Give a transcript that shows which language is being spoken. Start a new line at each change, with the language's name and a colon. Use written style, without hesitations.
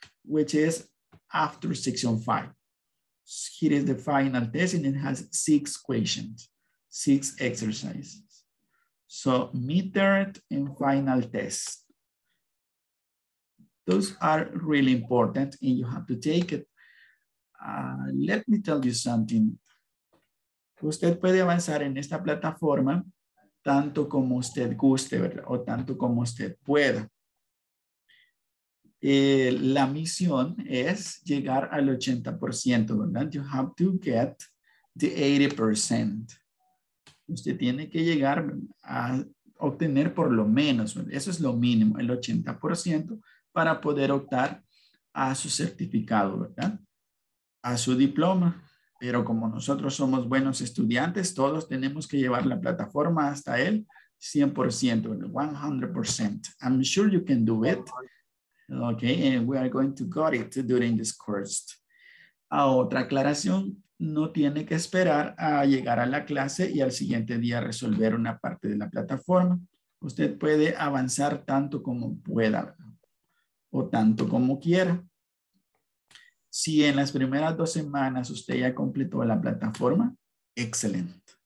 English: which is after section five. Here is the final test and it has six questions, six exercises. So midterm and final test. Those are really important and you have to take it. Let me tell you something.
Spanish: Usted puede avanzar en esta plataforma tanto como usted guste, ¿verdad? O tanto como usted pueda. La misión es llegar al 80%, ¿verdad?
English: You have to get the 80%.
Spanish: Usted tiene que llegar a obtener por lo menos, ¿verdad? Eso es lo mínimo, el 80% para poder optar a su certificado, ¿verdad? A su diploma. Pero como nosotros somos buenos estudiantes, todos tenemos que llevar la plataforma hasta el 100%, 100%.
English: I'm sure you can do it. Okay, and we are going to got it during this course.
Spanish: A otra aclaración, no tiene que esperar a llegar a la clase y al siguiente día resolver una parte de la plataforma. Usted puede avanzar tanto como pueda o tanto como quiera. Si en las primeras dos semanas usted ya completó la plataforma, excellent.